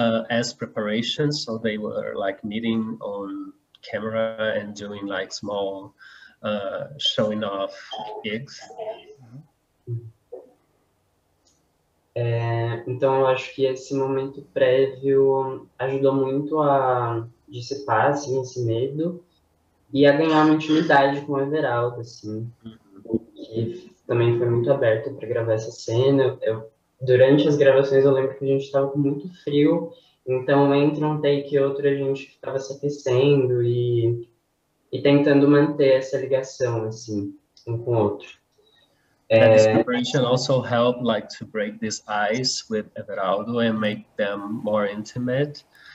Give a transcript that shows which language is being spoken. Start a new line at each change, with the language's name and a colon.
English: as preparations. So they were like meeting on camera and doing like small showing off gigs.
Portuguese: É, então, eu acho que esse momento prévio ajudou muito a dissipar assim, esse medo e a ganhar uma intimidade com o Everaldo, assim, que também foi muito aberto para gravar essa cena. Eu, durante as gravações, eu lembro que a gente estava com muito frio, então, entre um take e outro, a gente estava se aquecendo e tentando manter essa ligação assim, um com o outro.
English: And this preparation also helped like to break this ice with Everaldo and make them more intimate.